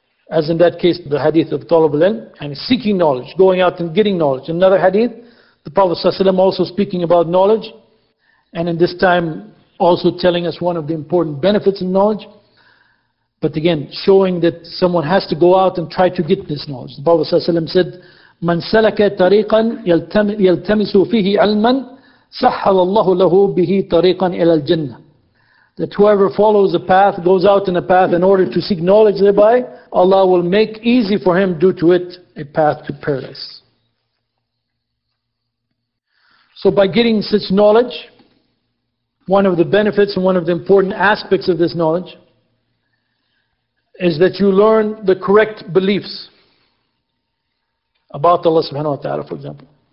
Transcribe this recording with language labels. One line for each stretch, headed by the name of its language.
English: As in that case, the hadith of Talab al-Ilm, and seeking knowledge, going out and getting knowledge. Another hadith, the Prophet ﷺ also speaking about knowledge, and in this time also telling us one of the important benefits of knowledge. But again, showing that someone has to go out and try to get this knowledge. The Prophet ﷺ said,
Arabic: مَنْ سَلَكَ تَرِيقًا يَلْتَمِسُ فِيهِ عَلْمًا سَحَّلَ اللَّهُ لَهُ بِهِ طَرِيقًا إِلَى الْجَنَّةِ.
English: That whoever follows a path, goes out in a path in order to seek knowledge thereby, Allah will make easy for him due to it a path to paradise. So by getting such knowledge, one of the benefits and one of the important aspects of this knowledge is that you learn the correct beliefs about Allah subhanahu wa ta'ala, for example.